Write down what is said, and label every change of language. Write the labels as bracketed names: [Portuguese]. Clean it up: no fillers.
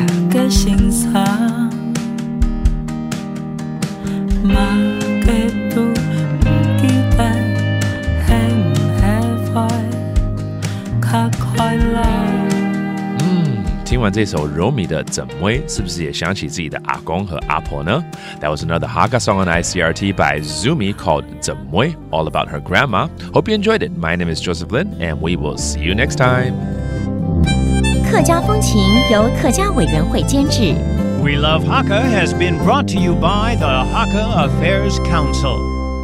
[Chinese] 的心酸，马的都不记得，会不会快卡快乐？听完这首柔米的鎮妹Zhinˊ，是不是也想起自己的阿公和阿婆呢？ [English] That was another Hakka song on ICRT by Zoomie called 鎮妹Zhinˊ, all about her grandma. Hope you enjoyed it. My name is Joseph Lin, and we will see you next time. [Chinese] 客家风情由客家委员会监制。 [English] We Love Hakka has been brought to you by the Hakka Affairs Council.